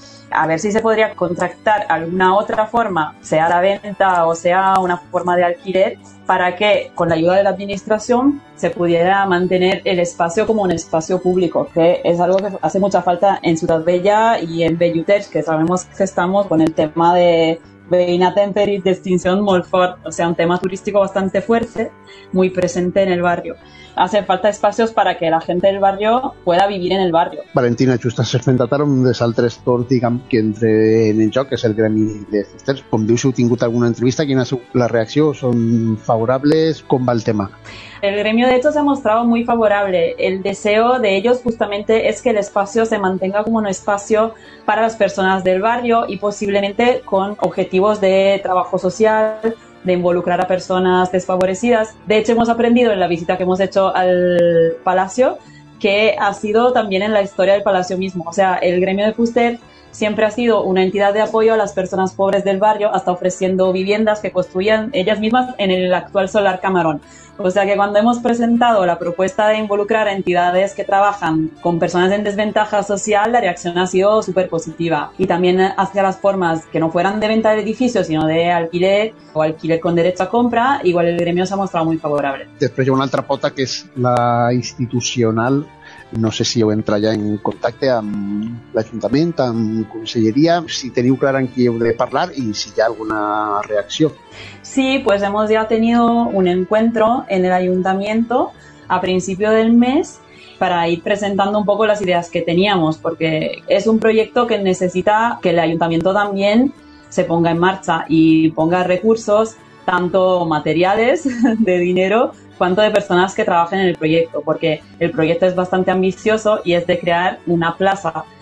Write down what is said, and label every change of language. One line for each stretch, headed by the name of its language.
Spanish: a ver si se podría contractar alguna otra forma, sea la venta o sea una forma de alquiler, para que con la ayuda de la administración se pudiera mantener el espacio como un espacio público, que es algo que hace mucha falta en Ciutat Vella y en Belluters, que sabemos que estamos con el tema de
Catalan: veïnatge en perill d'extinció molt fort,
Spanish: o sea, un tema turístic bastante fuerte, muy presente en el barrio. Hace falta espacios para que la gente del barrio pueda vivir en el barrio.
Catalan: Valentina, just has esmentat ara un dels altres torns, diguem, que entre en el joc, que és el gremi de Fusters. Com dius, heu tingut alguna entrevista, quina és la reacció? Són favorables? Com va el tema?
Spanish: El gremio, de hecho, se ha mostrado muy favorable. El deseo de ellos justamente es que el espacio se mantenga como un espacio para las personas del barrio y posiblemente con objetivos de trabajo social, de involucrar a personas desfavorecidas. De hecho, hemos aprendido en la visita que hemos hecho al Palacio que ha sido también en la historia del Palacio mismo. O sea, el gremio de Fuster siempre ha sido una entidad de apoyo a las personas pobres del barrio, hasta ofreciendo viviendas que construían ellas mismas en el actual Solar Camarón. O sea que cuando hemos presentado la propuesta de involucrar a entidades que trabajan con personas en desventaja social, la reacción ha sido súper positiva. Y también hacia las formas que no fueran de venta de edificios, sino de alquiler o alquiler con derecho a compra, igual el gremio se ha mostrado muy favorable. Después hay una otra pota que es la institucional.
Catalan: No sé si heu entrat ja en contacte amb l'Ajuntament, amb Conselleria, si teniu clar amb qui heu de parlar i si hi ha alguna reacció.
Spanish: Sí, pues hemos ya tenido un encuentro en el Ayuntamiento a principio del mes para ir presentando un poco las ideas que teníamos, porque es un proyecto que necesita que el Ayuntamiento también se ponga en marcha y ponga recursos, tanto materiales de dinero, cuanto de personas que trabajen en el proyecto, porque el proyecto es bastante ambicioso y es de crear una plaza